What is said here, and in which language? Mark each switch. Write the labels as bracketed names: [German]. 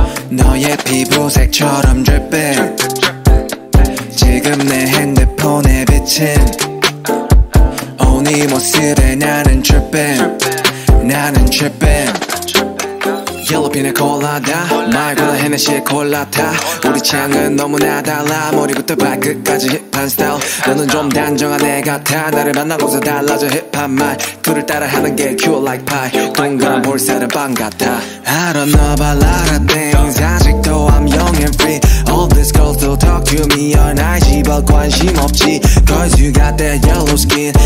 [Korean] 너의 피부색처럼 dripping. 지금 내 핸드폰에 비친 오니 모습에 나는 tripping. 나는 [English] trippin' Yellow pina colada [Korean] 말과 헤네시의 콜라타. 우리 창은 너무나 달라. 머리부터 발끝까지 힙한 스타일. 너는 좀 단정한 애 같아. 나를 만나고서 달라져 힙한 말. 그를 따라 하는 게 [English] cute like pie. [Korean] 동그란 볼살은 빵 같아. [English] I don't know about a lot of things. [Korean] 아직도 [English] I'm young and free. All these girls don't talk to me on IG. [Korean] 별 관심 없지. [English] Cause you got that yellow skin.